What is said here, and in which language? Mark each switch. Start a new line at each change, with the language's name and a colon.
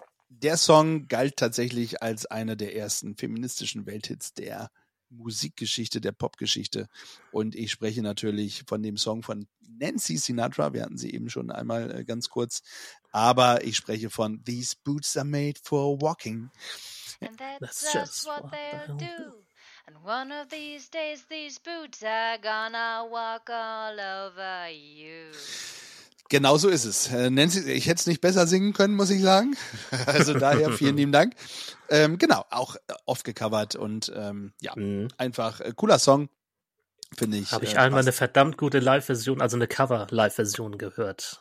German: Der Song galt tatsächlich als einer der ersten feministischen Welthits der Musikgeschichte, der Popgeschichte. Und ich spreche natürlich von dem Song von Nancy Sinatra. Wir hatten sie eben schon einmal ganz kurz. Aber ich spreche von These Boots Are Made for Walking.
English: And that's just what they'll do. And one of these days these boots are gonna walk all over you.
German: Genau so ist es. Nancy, ich hätte es nicht besser singen können, muss ich sagen. Also daher vielen lieben Dank. Genau, auch oft gecovert und einfach cooler Song, finde ich. Habe ich einmal eine verdammt gute Live-Version, also eine Cover-Live-Version gehört.